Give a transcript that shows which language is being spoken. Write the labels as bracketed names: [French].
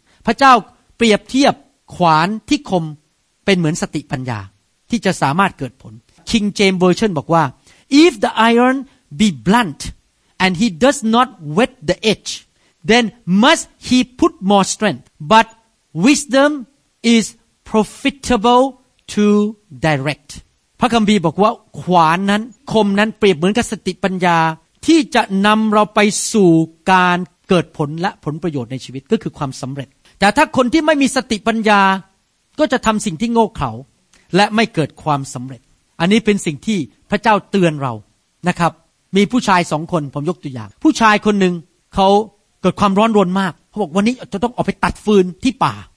[Thai] พระเจ้าเปรียบเทียบขวานที่คมเป็นเหมือนสติปัญญาที่จะสามารถเกิดผล [English] King James Version [Thai] บอกว่า [English] If the iron be blunt and he does not whet the edge, then must he put more strength. But wisdom is profitable to direct. [Thai] พระคัมภีร์บอกว่าขวานนั้นคมนั้นเปรียบเหมือนกับสติปัญญาที่จะนำเราไปสู่การเกิดผลและผลประโยชน์ในชีวิตก็คือความสำเร็จแต่ถ้าคนที่ไม่มีสติปัญญาก็จะทำสิ่งที่โง่เขลาและไม่เกิดความสำเร็จอันนี้เป็นสิ่งที่พระเจ้าเตือนเรานะครับมีผู้ชาย2คนผมยกตัวอย่างผู้ชายคนนึงเขาเกิดความร้อนรนมากเขาบอกวันนี้จะต้องออกไปตัดฟืนที่ป่า